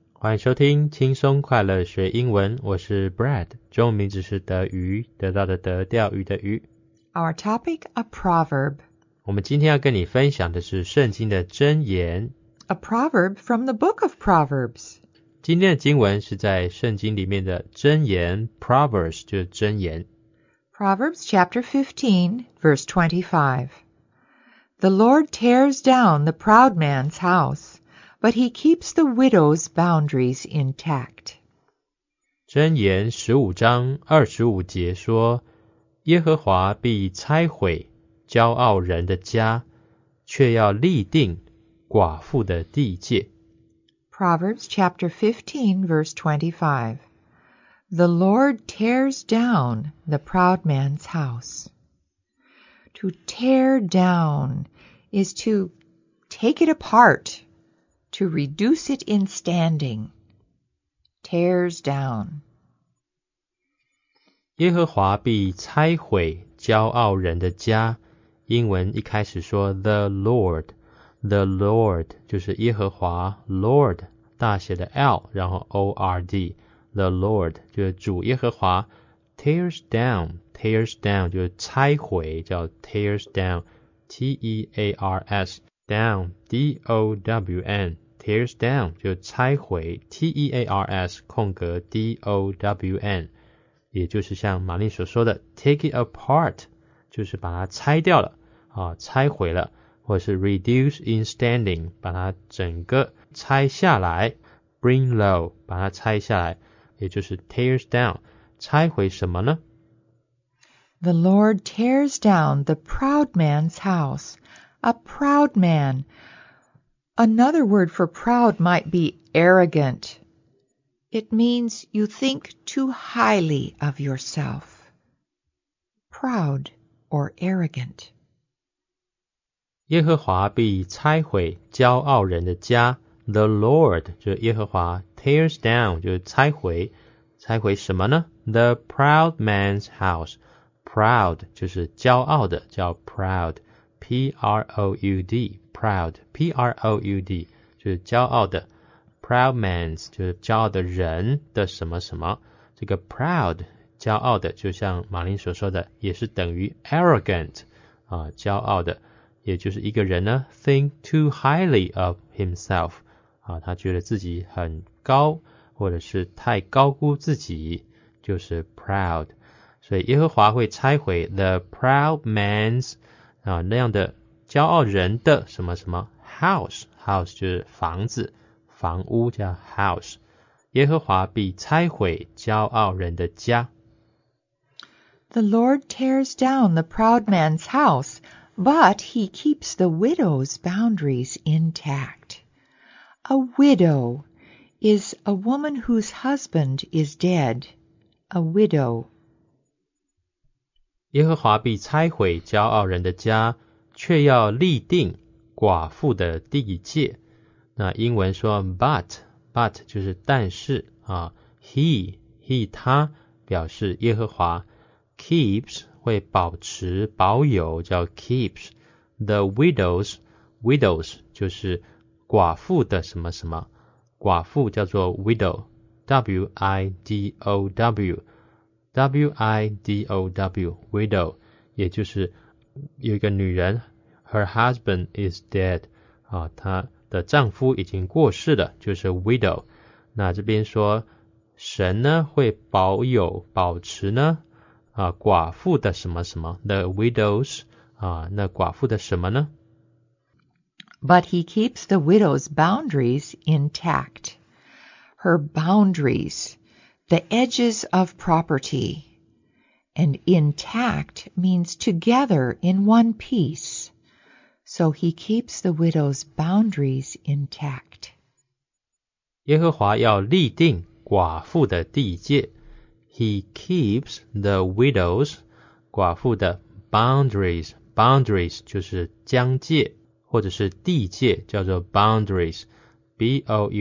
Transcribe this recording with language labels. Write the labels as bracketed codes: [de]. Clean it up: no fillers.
[zh] 欢迎收听轻松快乐学英文。我是 Brad. 中文名字是德鱼，得到的德，钓鱼的鱼。 [en] Our topic, a proverb. [zh] 我们今天要跟你分享的是圣经的箴言。 [en] A proverb from the book of Proverbs. [zh] 今天的经文是在圣经里面的箴言 ,Proverbs 就是箴言。 [en] Proverbs chapter 15, verse 25. The Lord tears down the proud man's house, but he keeps the widow's boundaries intact. [zh] 箴言15章25节说，耶和华必拆毁骄傲人的家，却要立定寡妇的地界。 [en] Proverbs chapter 15, verse 25. The Lord tears down the proud man's house. To tear down... is to take it apart, to reduce it in standing. Tears down. [zh] 耶和华必拆毁骄傲人的家。英文一开始说 The Lord, The Lord 就是耶和华 Lord 大写的 L, 然后 O-R-D, The Lord 就是主耶和华 Tears down, tears down 就是拆毁叫 tears down. T-E-A-R-S, down, D-O-W-N, tears down, 就拆毁 T-E-A-R-S, 空格 D-O-W-N, 也就是像玛丽所说的 [en] take it apart, [zh] 就是把它拆掉了、拆毁了或是 [en] reduce in standing, [zh] 把它整个拆下来 [en] bring low, [zh] 把它拆下来也就是 tears down, 拆毁什么呢 [en] The Lord tears down the proud man's house. A proud man. Another word for proud might be arrogant. It means you think too highly of yourself. Proud or arrogant. [zh] 耶和华必拆毁骄傲人的家。 The Lord, 就是耶和华, tears down, 就是拆毁。拆毁什么呢? [en] The proud man's house. [zh] Proud, 就是骄傲的叫 proud, P-R-O-U-D, proud, P-R-O-U-D, 就是骄傲的 proud man's, 就是骄傲的人的什么什么这个 proud, 骄傲的就像马林所说的也是等于 arrogant, 骄傲的也就是一个人呢 [en] think too highly of himself, [zh] 他觉得自己很高或者是太高估自己就是 proud,所以耶和华会拆毁 the proud man's, 那样的骄傲人的什么什么 house, house 就是房子房屋叫 house, 耶和华必拆毁骄傲人的家。 [en] The Lord tears down the proud man's house, but he keeps the widow's boundaries intact. A widow is a woman whose husband is dead, a widow. [zh] 耶和华必拆毁骄傲人的家，却要立定寡妇的地界。那英文说 but 就是但是啊 ，he 他表示耶和华 keeps 会保持保有叫 [en] keeps the widows [zh] 就是寡妇的什么什么，寡妇叫做 widow w i d o w。 W-I-D-O-W, widow, 也就是有一个女人 [en] her husband is dead, [zh] 她的丈夫已经过世了就是 widow, 那这边说神呢会保有保持呢寡妇的什么什么 the widows, 那寡妇的什么呢 [en] But he keeps the widow's boundaries intact, her boundaries,The edges of property. And intact means together in one piece. So he keeps the widow's boundaries intact. [zh] 耶和华要立定寡妇的地界。 [en] He keeps the widow's [zh] 寡妇的 [en] boundaries. [zh] Boundaries 就是疆界或者是地界叫做 boundaries. B-O-U-N-D-A-R-I-E-S.